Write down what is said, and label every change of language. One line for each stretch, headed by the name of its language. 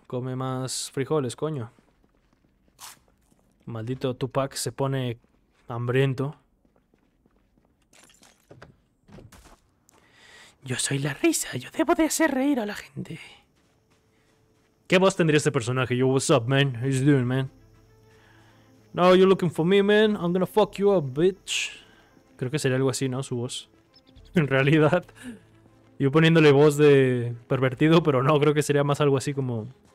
Spanish: Come más frijoles, coño. Maldito Tupac se pone hambriento. Yo soy la risa, yo debo de hacer reír a la gente. ¿Qué voz tendría este personaje?
English: Yo, what's up, man? How you doing, man? No, you're looking for me, man. I'm gonna fuck you up, bitch.
Spanish: Creo que sería algo así, ¿no? Su voz. En realidad... Yo poniéndole voz de pervertido, pero no, creo que sería más algo así como...